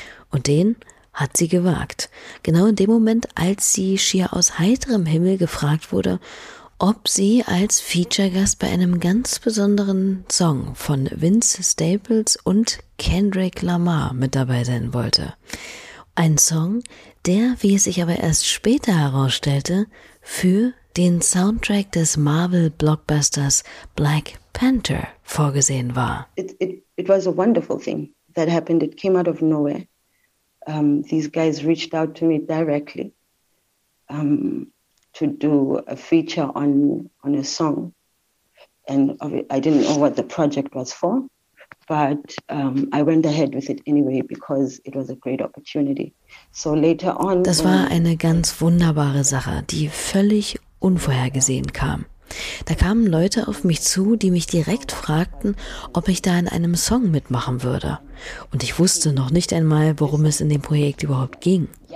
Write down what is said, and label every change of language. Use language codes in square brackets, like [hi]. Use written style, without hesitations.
[de] Und den hat sie gewagt. Genau in dem Moment, als sie schier aus heiterem Himmel gefragt wurde, ob sie als Feature-Gast bei einem ganz besonderen Song von Vince Staples und Kendrick Lamar mit dabei sein wollte. Ein Song, der, wie es sich aber erst später herausstellte, für den Soundtrack des Marvel-Blockbusters Black Panther vorgesehen war. [en] It was a wonderful thing that happened. It came out of nowhere. These guys reached out to me directly to do a feature on a song. And I didn't know what the project was for, but I went ahead with it anyway because it was a great opportunity. So later on. [de] Das war eine ganz wunderbare Sache, die völlig unvorhergesehen kam. Da kamen Leute auf mich zu, die mich direkt fragten, ob ich da in einem Song mitmachen würde. Und ich wusste noch nicht einmal, worum es in dem Projekt überhaupt ging.